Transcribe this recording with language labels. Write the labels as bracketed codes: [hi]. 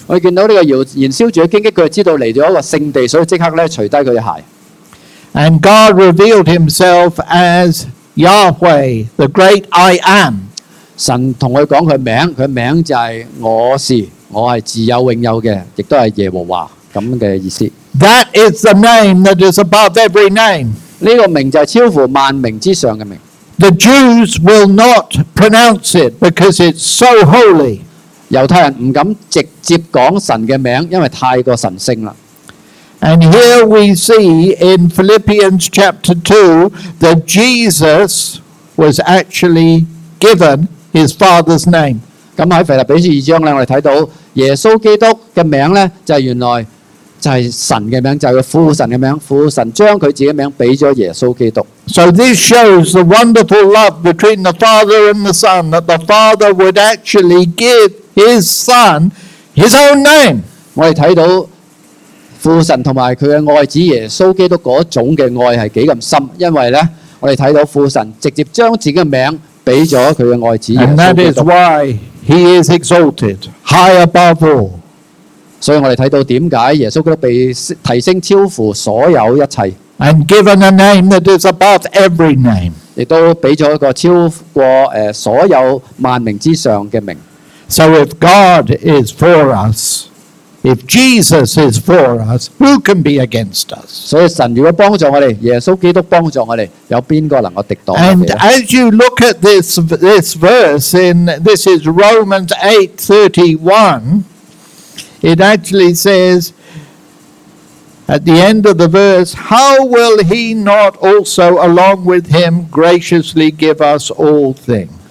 [yue] 佢见到呢个燃烧住嘅荆棘，佢知道嚟咗一个圣地，所以即刻咧除低佢嘅鞋。 [en] And God revealed Himself as Yahweh, the great I am. [yue] 神同佢讲佢名，佢名就系我是，我系自有永有嘅，亦都系耶和华咁嘅意思。 [en] That is the name that is above every name. [yue] 呢个名就系超乎万名之上嘅名。 [en] The Jews will not pronounce it because it's so holy. [yue] 犹太人唔敢直接讲神嘅名，因为太过神圣啦。 [en] And here we see in Philippians chapter 2 that Jesus was actually given his father's name. [yue] 咁喺腓立比书二章咧，我哋睇到耶稣基督嘅名咧，就系原来就系神嘅名，就系父神嘅名。父神将佢自己名俾咗耶稣基督。 [en] So this shows the wonderful love between the father and the son, that the father would actually give his son his own name. [yue] 我哋睇到父神同埋佢嘅爱子耶稣基督嗰种嘅爱系几咁深，因为咧，我哋睇到父神直接将自己嘅名俾咗佢嘅爱子耶稣基督。 [en] And that is why he is exalted high above all. [yue] 所以我哋睇到点解耶稣基督被提升超乎所有一切。 [en] And given a name that is above every name. [yue] 亦都俾咗一个超过所有万名之上嘅名。 [en] So if God is for us. If Jesus is for us, who can be against us? [yue] 所以神如果帮助我哋，耶稣基督帮助我哋，有边个能够敌挡我哋？ [en] And as you look at this verse in this is Romans 8:31, it actually says at the end of the verse, "How will he not also along with him graciously give us all things?"